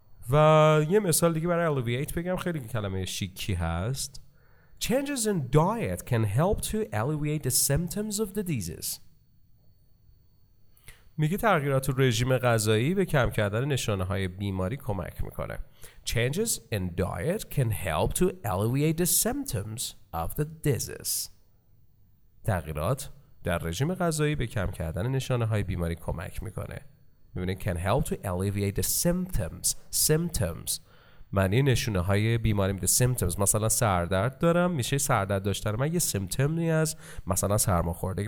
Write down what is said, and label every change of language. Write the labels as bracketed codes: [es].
[fa] و یه مثال دیگه برای alleviate بگم، خیلی کلمه شیکی هست. [en] Changes in diet can help to alleviate the symptoms of the disease. [fa] میگه تغییرات رژیم غذایی به کم کردن نشانه های بیماری کمک میکنه. [en] Changes in diet can help to alleviate the symptoms of the disease. [fa] تغییرات در رژیم غذایی به کم کردن نشانه های بیماری کمک میکنه. میبینید [en] can help to alleviate the symptoms. [fa] Symptoms معنی نشانه های بیماری میده. Symptoms مثلا سردرد دارم، میشه سردرد داشتن من یه سیمتمی از مثلا سرماخوردگی.